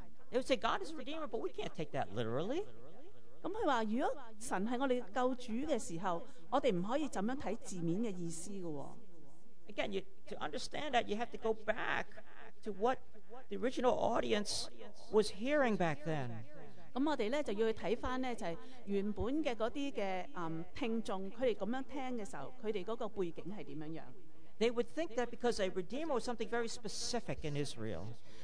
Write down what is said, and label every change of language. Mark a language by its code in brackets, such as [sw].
[en] They would say God is Redeemer, but we can't take that literally. [zh] 他們說如果神是我們救主的時候，我們不可以這樣看字面的意思。 [en] Again, to understand that, you have to go back to what the original audience was hearing back then. [zh] 我們就要去看原本的聽眾，他們這樣聽的時候，他們的背景是怎樣。 [en] They would think that because a redeemer was something very specific in Israel.